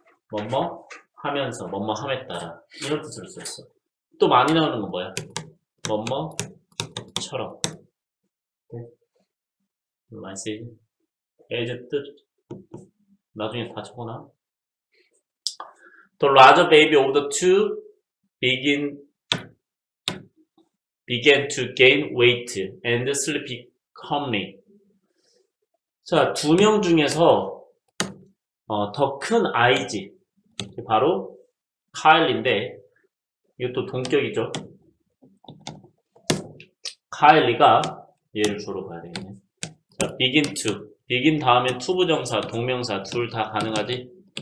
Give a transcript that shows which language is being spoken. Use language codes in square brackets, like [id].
[ko] 뭐뭐 하면서 뭐뭐 함에 따라 이런 뜻으로 쓰였어. 또 많이 나오는 건 뭐야? 뭐뭐처럼. 많이 쓰이지? as 뜻 나중에 다 적어놔. [en] The larger baby of the two began to gain weight and sleepy calmly. [ko] 자, 두명 중에서 더큰 아이지. 바로 카일리인데 이것도 동격이죠. 카일리가 얘를 주로 봐야 되겠네. 자, begin to. begin 다음에 to 부정사, 동명사 둘다 가능하지?